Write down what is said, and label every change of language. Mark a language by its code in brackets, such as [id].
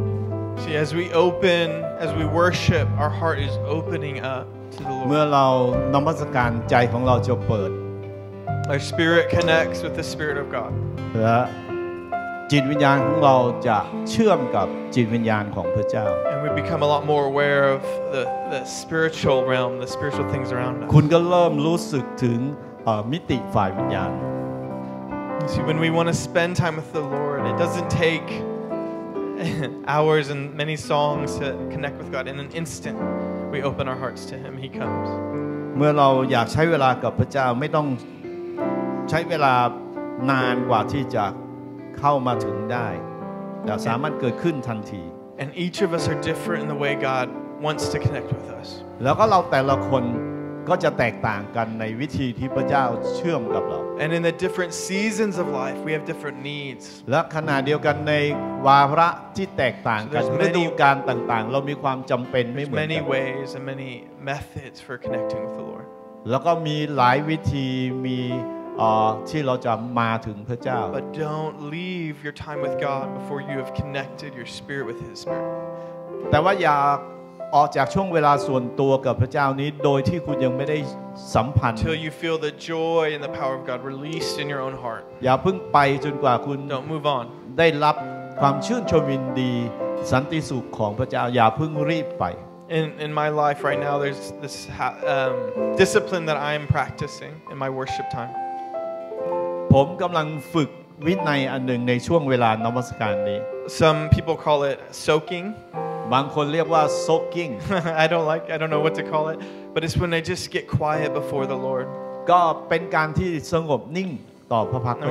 [en] worship our heart is opening up to the Lord [th] เมื่อเรานมัสการใจของเราจะเปิด [en] our spirit connects with the spirit of God [th] จิตวิญญาณของเราจะเชื่อมกับจิตวิญญาณของพระเจ้า [en] and we become a lot more aware of the spiritual realm the spiritual things around us [th] คุณก็เริ่มรู้สึกถึงมิติฝ่ายวิญญาณ [en] see when we want to spend time with the Lord it doesn't takehours and many songs to connect with God in an instant we open our hearts to him he comes [th] เมื่อเราอยากใช้เวลากับพระเจ้าไม่ต้องใช้เวลานานกว่าที่จะเข้ามาถึงได้แต่สามารถเกิดขึ้นทันที [en] and each of us are different in the way God wants to connect with us [th] แล้วก็เราแต่ละคนก็จะแตกต่างกันในวิธีที่พระเจ้าเชื่อมกับเรา [en] And in the different seasons of life we have different needs [th] และขณะเดียวกันในวาระที่แตกต่างกันฤดูกาลต่างๆเรามีความจําเป็นไม่เหมือนกัน [en] Many ways and many methods for connecting with the Lord [th] แล้วก็มีหลายวิธีมีที่เราจะมาถึงพระเจ้า [en] But don't leave your time with God before you have connected your spirit with his spirit [th] แต่ว่าอย่า ออกจากช่วงเวลาส่วนตัวกับพระเจ้านี้โดยที่คุณยังไม่ได้สัมผัส [en] Until you feel the joy and the power of God released in your own heart [th] อย่าเพิ่งไปจนกว่าคุณ [en] Don't move on [th] ได้รับความชื่นชมยินดีสันติสุขของพระเจ้าอย่าเพิ่งรีบไป [en] In my life right now, there's this discipline that I'm practicing in my worship time. [th] ผมกำลังฝึกวินัยอันหนึ่งในช่วงเวลานมัสการนี้ [en] Some people call it soaking. [th] บางคนเรียกว่า soaking. [en] I don't know what to call it. But it's when I just get quiet before the Lord. [th] ก็เป็นการที่สงบนิ่งต่อพระพักตร์พระเจ้